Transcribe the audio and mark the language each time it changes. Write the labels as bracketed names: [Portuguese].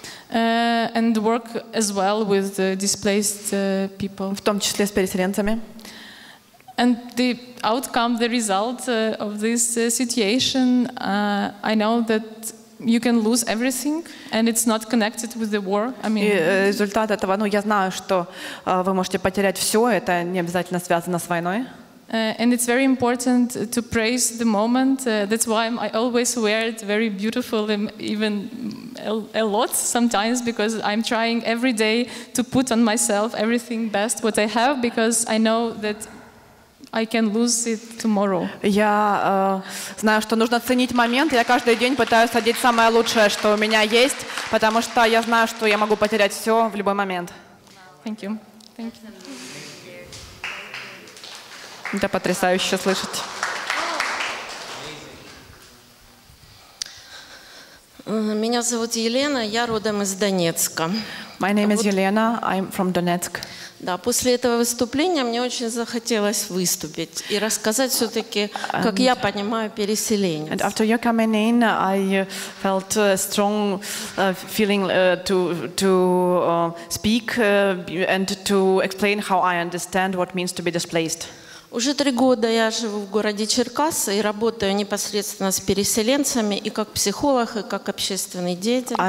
[English] And work as well with the displaced people. [Russian] В том числе с переселенцами. [English] And the outcome, the result of this situation, I know that you can lose everything, and it's not connected with the war. I mean. [Russian] Результат этого, я знаю, что вы можете потерять все, это не обязательно связано с войной. [English] And it's very important to praise the moment. That's why I always wear it very beautiful, even a lot sometimes, because I'm trying every day to put on myself everything best what I have, because I know that I can lose it tomorrow. [Russian] Я знаю, что нужно ценить момент. Я каждый день пытаюсь одеть самое лучшее, что у меня есть, потому что я знаю, что я могу потерять все в любой момент. [English] Thank you. Thank you. [Russian] Это потрясающе слышать. Меня зовут Елена, я родом из Донецка. [English] My name is Елена, I'm from Donetsk. [Russian] Да, после этого выступления мне очень захотелось выступить и рассказать все-таки, как я понимаю переселение. [English] And after you coming in, I felt a strong feeling to speak and to explain how I understand what means to be displaced. [Russian] Уже 3 года я живу в городе Черкассы и работаю непосредственно с переселенцами и как психолог, и как общественный деятель.